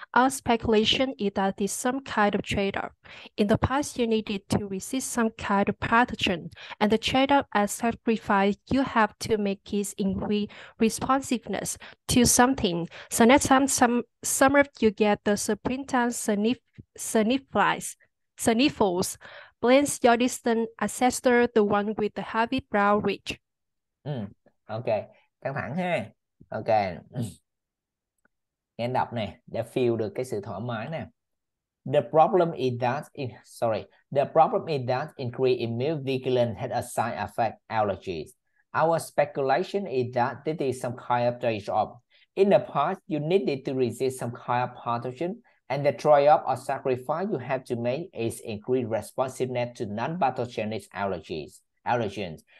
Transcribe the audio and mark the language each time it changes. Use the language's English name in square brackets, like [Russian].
[English] Our speculation is that it's some kind of trade-off. In the past, you needed to resist some kind of pathogen, and the trade-off as sacrifice you have to make is increase responsiveness to something. So next time, some of you get the springtime sniffles. Blends your distant ancestor, the one with the heavy brow ridge. [Vietnamese] Ok, căng thẳng ha. Ok. Nghe anh đọc nè, để feel được cái sự thoải mái nè. [English] The problem is that increase in milk vigilant had a side effect allergies. Our speculation is that this is some kind of trade off. In the past, you needed to resist some kind of pathogen, and the trade off or sacrifice you have to make is increase responsiveness to non-pathogenic allergens.